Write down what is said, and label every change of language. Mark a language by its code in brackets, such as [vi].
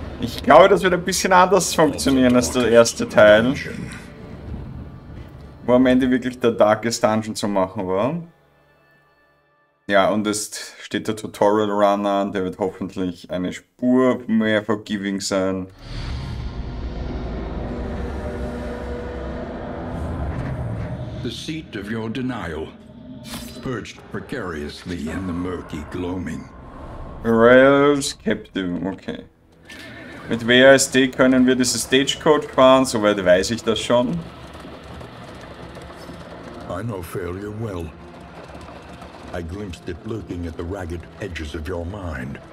[de] Ich glaube, das wird ein bisschen anders funktionieren als der erste Teil. Wo am Ende wirklich der Darkest Dungeon zu machen war. Ja, und es steht der Tutorial Run an, der wird hoffentlich eine Spur mehr forgiving sein. [en] The seat of your denial, perched precariously in the murky gloaming. Rails Captive, okay. [de] Mit WASD können wir diese Stagecoach fahren, soweit weiß ich das schon. [en] I know failure well. I glimpsed it lurking at the ragged edges of your mind.